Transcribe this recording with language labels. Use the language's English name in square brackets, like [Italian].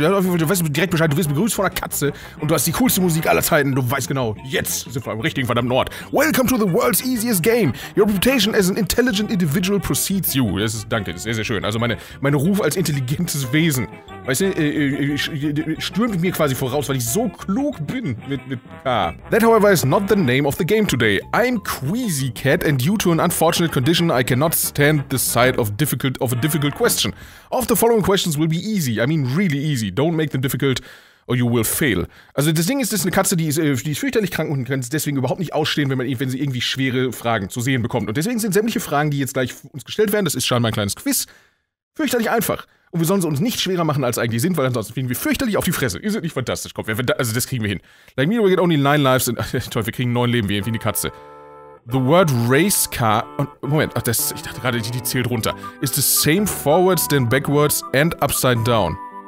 [German] Du weißt direkt Bescheid, du wirst begrüßt von einer Katze und du hast die coolste Musik aller Zeiten. Du weißt genau, jetzt sind wir am richtigen verdammten Ort. [English] Welcome to the World's Easiest Game. Your reputation as an intelligent individual precedes you. [German] Das ist, danke, das ist sehr, sehr schön. Also, mein Ruf als intelligentes Wesen, weißt du, stürmt mir quasi voraus, weil ich so klug bin mit K. [English] That, however, is not the name of the game today. I'm Queasy Cat and due to an unfortunate condition, I cannot stand the sight of a difficult question. Of the following questions will be easy, I mean really easy. Don't make them difficult or you will fail. [German] Also das Ding ist, das ist eine Katze, die ist fürchterlich krank und kann deswegen überhaupt nicht ausstehen, wenn sie irgendwie schwere Fragen zu sehen bekommt. Und deswegen sind sämtliche Fragen, die jetzt gleich uns gestellt werden, das ist scheinbar ein kleines Quiz, fürchterlich einfach. Und wir sollen sie uns nicht schwerer machen, als eigentlich sind, weil ansonsten fliegen wir fürchterlich auf die Fresse. Ist das nicht fantastisch? Komm, also das kriegen wir hin. [English] Like me, we get only 9 lives. [German] Toll, wir kriegen 9 Leben, wie eine Katze. [English] The word race car. [German] Und Moment, ach, das, ich dachte gerade, die zählt runter. [English] Is the same forwards than backwards and upside down?